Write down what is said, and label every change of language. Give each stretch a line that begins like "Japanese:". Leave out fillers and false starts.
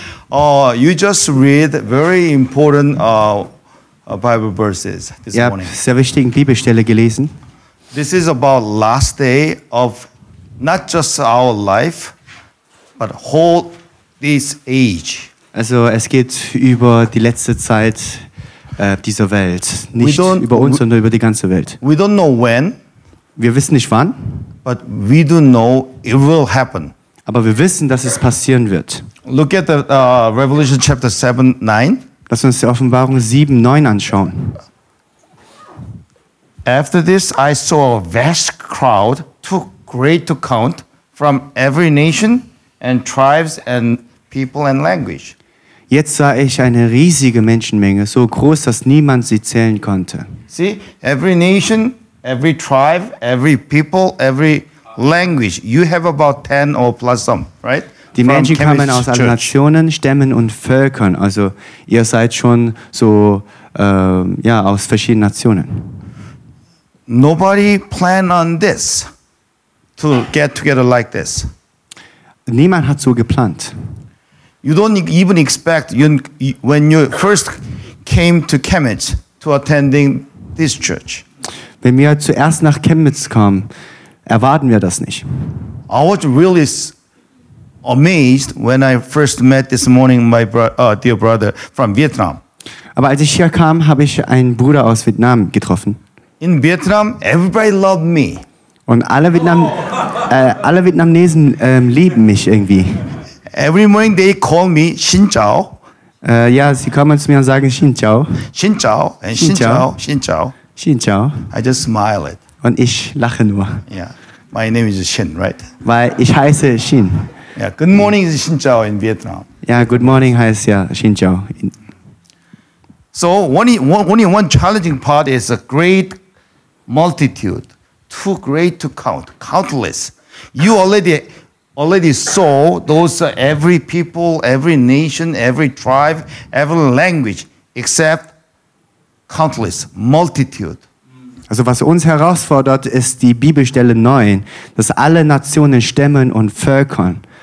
English: You just read very important Bible verses this morning.
German: Sehr wichtigen Bibelstelle gelesen.
English: This is about last day of not just our life, but whole this age.
German: Also, es geht über die letzte Zeit dieser Welt, nicht über uns, sondern über die ganze Welt.
English: We don't know when.
German: Wir wissen nicht wann.
English: But we do know it will happen.
German: Aber wir wissen, dass es passieren wird.
English: Look at the Revelation chapter 7, 9.
German: Lass uns die Offenbarung 7, 9 anschauen.
English: After this, I saw a vast crowd, too great to count, from every nation and tribes and people and language.
German: Jetzt sah ich eine riesige Menschenmenge, so groß, dass niemand sie zählen konnte.
English: See, every nation, every tribe, every people, every language. You have about 10 or plus some, right?
German: Die Menschen kamen aus allen Nationen, Stämmen und Völkern. Also ihr seid schon so aus verschiedenen Nationen.
English: Nobody planned on this to get together like this.
German: Niemand hat so geplant.
English: You don't even expect when you first came to Chemnitz to attending this church.
German: Wenn wir zuerst nach Chemnitz kamen, erwarten wir das nicht.
English: I was really amazed when I first met this morning my dear brother from Vietnam.
German: Aber als ich hier kam, habe ich einen Bruder aus Vietnam getroffen.
English: In Vietnam, everybody loved me.
German: Und alle Vietnamesen lieben mich irgendwie.
English: Every morning they call me Xin Chao.
German: Sie kommen zu mir und sagen Xin Chao.
Vietnamese: Xin Chao and Xin Chao, Xin Chao. Xin Chao.
English: I just smile it.
German: Und ich lache nur.
English: Yeah. My name is Xin, right?
German: Weil ich heiße Xin.
English: Yeah, good morning is Xin Chao in Vietnam. Yeah, good morning
German: heißt ja Xin Chao.
English: So, one challenging part is a great multitude, too great to count, countless. You already saw those every people, every nation, every tribe, every language, except countless, multitude.
German: Also was uns herausfordert, ist die Bibelstelle 9, dass alle Nationen, Stämmen und Völkern.